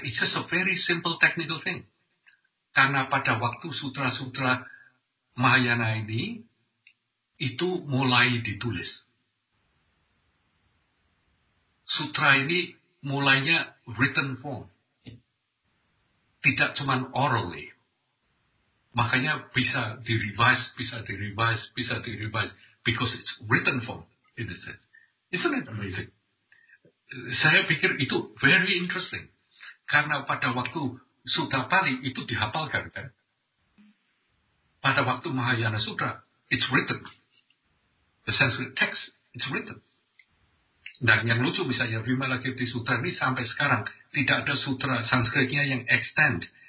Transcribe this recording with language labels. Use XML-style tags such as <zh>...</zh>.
<en>It's just a very simple technical thing.</en> <id>Karena pada waktu sutra-sutra Mahayana ini itu mulai ditulis. Sutra ini mulainya written form. Tidak cuma orally. Makanya bisa di-revise, bisa di-revise, bisa di-revise.</id> <en>Because it's written form, in a sense. Isn't it amazing?</en> <id>Saya pikir itu</id> <en>very interesting.</en> <id>Karena pada waktu Sutra Pali itu dihafalkan, kan? Pada waktu</id> <en>Mahayana Sutra, it's written. The Sanskrit text, it's written.</en> <id>Dan yang lucu misalnya, Vimalakirti Sutra ini sampai sekarang, tidak ada sutra Sanskritnya yang extend.</id>